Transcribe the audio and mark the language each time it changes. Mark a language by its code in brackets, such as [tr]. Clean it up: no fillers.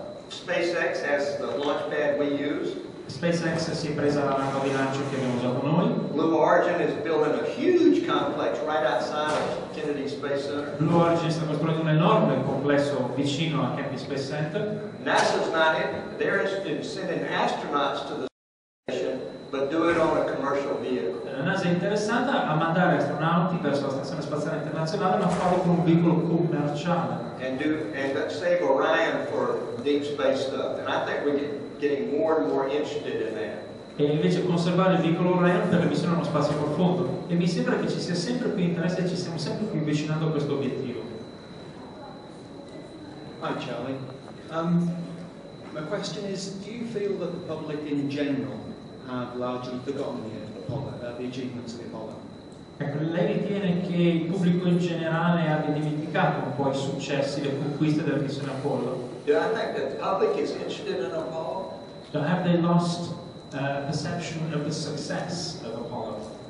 [en] SpaceX has the launch pad we use. [it] SpaceX si è presa la nave di lancio che abbiamo usato noi. [en] Blue Origin is building a huge complex right outside of Kennedy Space Center. [it] Blue Origin sta costruendo un enorme complesso vicino a Kennedy Space Center. [en] NASA's not in. They're interested in sending astronauts to the station, but do it on a commercial vehicle. [it] La NASA è interessata a mandare astronauti verso la stazione spaziale internazionale, ma farlo con un veicolo commerciale. [en] And save Orion for deep space stuff. And I think we're getting more and more interested in that. [it] E invece conservare il veicolo Orion per la missione allo spazio profondo. E mi sembra che ci sia sempre più interesse e ci stiamo sempre più avvicinando a questo obiettivo. [en] Hi Charlie. My question is, do you feel that the public in general have largely forgotten the achievements of the Apollo? [it] Lei ritiene che il pubblico in generale abbia dimenticato un po' i successi, le conquiste della missione Apollo? [en] Do I think the public is interested in Apollo? So have they lost perception of the success of Apollo?